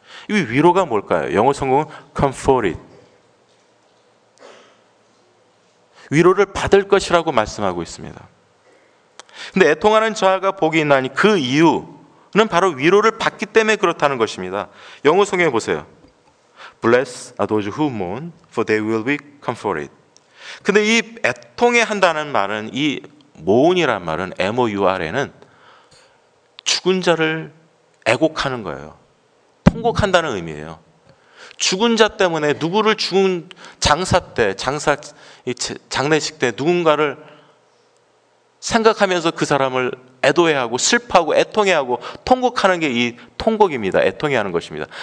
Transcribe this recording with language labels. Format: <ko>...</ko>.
<ko>이 위로가 뭘까요? 영어 성경은 comforted. 위로를 받을 것이라고 말씀하고 있습니다. 근데 애통하는 자가 복이 있나니 그 이유는 바로 위로를 받기 때문에 그렇다는 것입니다. 영어 성경에 보세요.</ko> <en>Bless are those who mourn, for they will be comforted.</en> <ko>근데 이 애통해 한다는 말은, 이 mourn이란 말은 M-O-U-R-N은 죽은 자를 애곡하는 거예요. 통곡한다는 의미예요. 죽은 자 때문에 누구를 죽은 장사 때, 장례식 때 누군가를 생각하면서 그 사람을 애도해하고 슬퍼하고 애통해하고 통곡하는 게 이 통곡입니다. 애통해하는 것입니다.</ko>